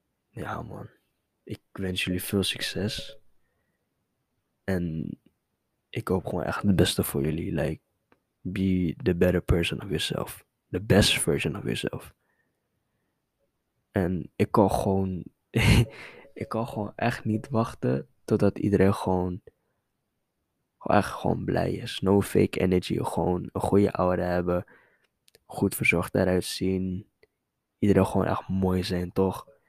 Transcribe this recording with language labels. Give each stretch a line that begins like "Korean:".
Dutch: Ja, man. Ik wens jullie veel succes. En ik hoop gewoon echt het beste voor jullie.
English: Like, be the better person of yourself. The best version of yourself.
Dutch: En ik kan gewoon ik kan gewoon echt niet wachten totdat iedereen gewoon echt gewoon blij is.
English: No fake energy.
Dutch: Gewoon een goede aura hebben. Goed verzorgd eruit zien. Iedereen gewoon echt mooi zijn, toch?